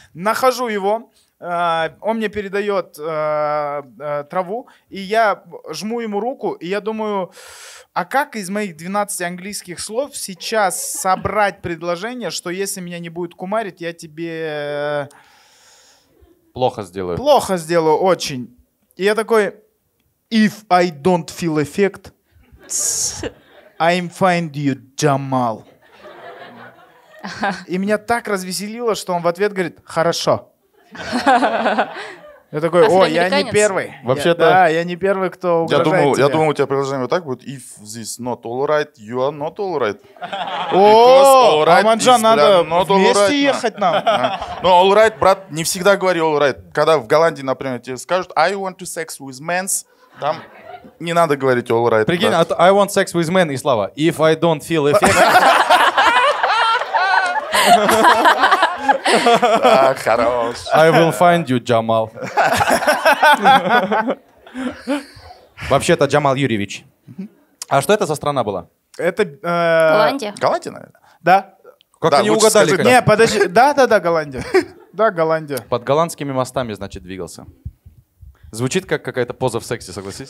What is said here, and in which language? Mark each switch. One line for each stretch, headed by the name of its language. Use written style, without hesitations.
Russian: Нахожу его, он мне передает траву, и я жму ему руку, и я думаю... А как из моих 12 английских слов сейчас собрать предложение, что если меня не будет кумарить, я тебе... Плохо сделаю. Плохо сделаю, очень. И я такой,
English: if I don't feel effect, I'm find you, Jamal.
Russian: И меня так развеселило, что он в ответ говорит, хорошо. Я такой, я не первый. Вообще-то... Да, я не первый, кто угрожает тебе. Я думал, у тебя предложение вот так будет.
English: If this not all right, you are not all right. All right,
Russian: Аманджан, надо вместе ехать нам.
English: Но all right,
Russian: брат, не всегда
English: говори all right.
Russian: Когда в Голландии, например, тебе скажут
English: I want to sex with men,
Russian: там не надо
English: говорить all right.
Russian: Прикинь, брат.
English: I want sex with men,
Russian: и слава.
English: If I don't feel effect...
Russian: Да, хорош.
English: I will find you, Джамал.
Russian: Вообще-то, Джамал Юрьевич. А что это за страна была? Это... Голландия. Голландия, наверное. Да. Как они угадали? Не, подожди. Да, Голландия. Да, Голландия. Под голландскими мостами, значит, двигался. Звучит как какая-то поза в сексе, согласись?